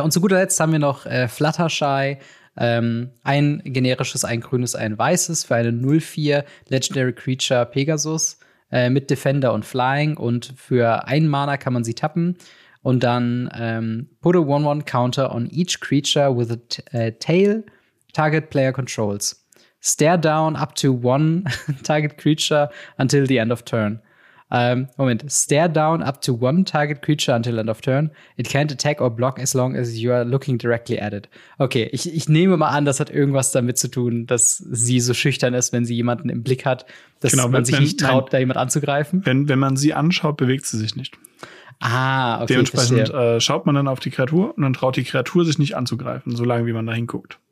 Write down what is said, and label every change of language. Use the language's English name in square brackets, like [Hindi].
[German] Und zu guter Letzt haben wir noch Fluttershy, ein generisches, ein grünes, ein weißes für eine 0-4 Legendary Creature Pegasus mit Defender und Flying. Und für einen Mana kann man sie tappen und dann [English] put a 1-1 Counter on each creature with a tail, target player controls. Stare down up to one target creature until the end of turn. Stare down up to one target creature until end of turn. It can't attack or block as long as you are looking directly at it. [German] Okay, ich nehme mal an, das hat irgendwas damit zu tun, dass sie so schüchtern ist, wenn sie jemanden im Blick hat, dass man sich nicht traut, da jemand anzugreifen. Wenn man sie anschaut, bewegt sie sich nicht. Ah, okay. Dementsprechend schaut man dann auf die Kreatur und dann traut die Kreatur sich nicht anzugreifen, solange wie man da hinguckt.